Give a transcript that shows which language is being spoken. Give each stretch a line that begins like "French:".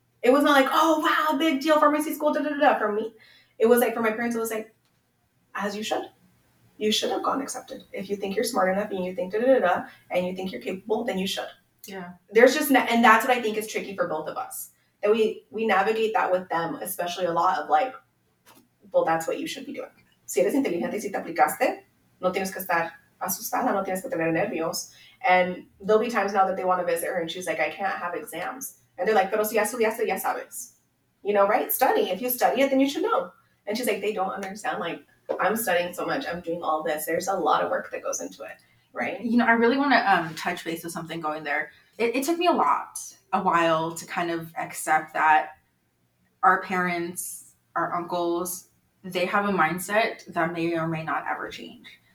English: It was not like, oh, wow, big deal, pharmacy school, da-da-da-da. For me, it was like, for my parents, it was like, as you should. You should have gone accepted. If you think you're smart enough and you think da-da-da-da and you think you're capable, then you should. Yeah. There's just, and that's what I think is tricky for both of us. That we navigate that with them, especially a lot of like, well, that's what you should be doing.
Spanish: Si eres inteligente y si te aplicaste, no tienes que estar asustada, no tienes que tener nervios.
English: And there'll be times now that they want to visit her and she's like, I can't have exams. And they're like,
Spanish: pero si ya estudiaste, ya sabes.
English: You know, right? Study. If you study it, then you should know. And she's like, they don't understand. Like, I'm studying so much. I'm doing all this. There's a lot of work that goes into it, right? You know, I really want to touch base with something going there. It took me a while to kind of accept that our parents, our uncles, they have a mindset that may or may not ever change.